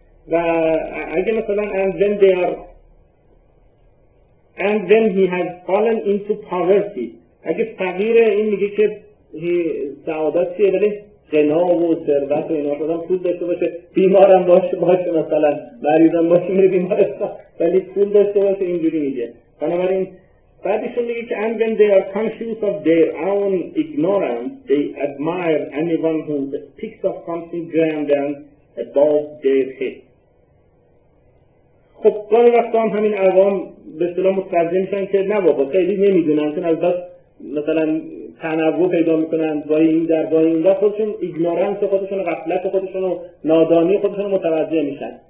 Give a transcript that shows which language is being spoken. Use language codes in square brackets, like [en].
[fa] و اگه مثلا [en] and when he has fallen into poverty، [fa] اگه فقیره، این میگه که سعادت چیه، ولی غنا و ثروت و اینا خودم پول داشته باشه، بیمارم باشه مثلا مریضم باشه میره بیمارستان، ولی پول داشته باشه اینجوری میگه. بنابراین بعدشون میگه که [en] and when they are conscious of their own ignorance they admire anyone who speaks of something grand and above their head. [fa] خب گاهی وقتا هم همین عوام به اصطلاح متوجه میشن که نه بابا خیلی نمیدونن، چون از دست مثلا تنوع پیدا میکنن با این در با این در، خودشون ایگنورنس خودشون و غفلت خودشون و نادانی خودشون رو متوجه میشن.